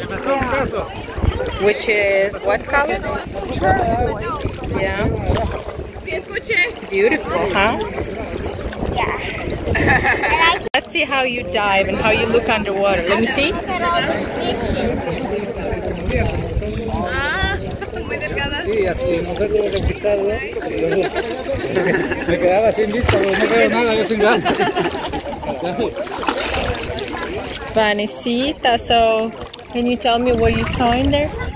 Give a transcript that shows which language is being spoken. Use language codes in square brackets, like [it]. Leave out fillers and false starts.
[en] Yeah. Which is what color? Turquoise. Yeah. Beautiful, huh? Yeah. Let's see how you dive and how you look underwater. Let me see. Look at all the fishes. [es] Me quedaba sin vista, no me veo nada, yo sin gas. [en] Vanesita, so can you tell me what you saw in there?